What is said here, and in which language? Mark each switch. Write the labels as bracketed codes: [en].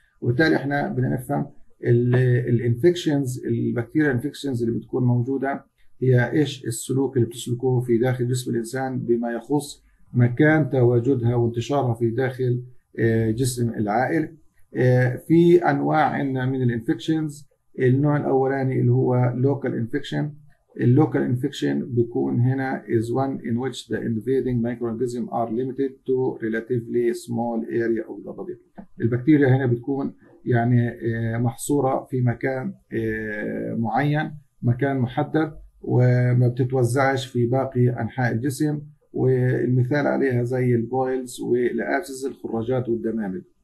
[ar] وبالتالي احنا بنفهم الانفكشنز، البكتيريا انفكشنز اللي بتكون موجودة هي ايش السلوك اللي بتسلكه في داخل جسم الانسان بما يخص مكان تواجدها وانتشارها في داخل جسم العائل. في انواع من الانفكشنز، النوع الاولاني اللي هو لوكال انفكشن. اللوكال انفكشن بيكون هنا [en] is one in which the invading microorganism are limited to relatively small area of the body. [ar] البكتيريا هنا بتكون يعني محصوره في مكان معين، مكان محدد، وما بتتوزعش في باقي أنحاء الجسم، والمثال عليها زي البويلز والأبسس الخراجات والدمامل.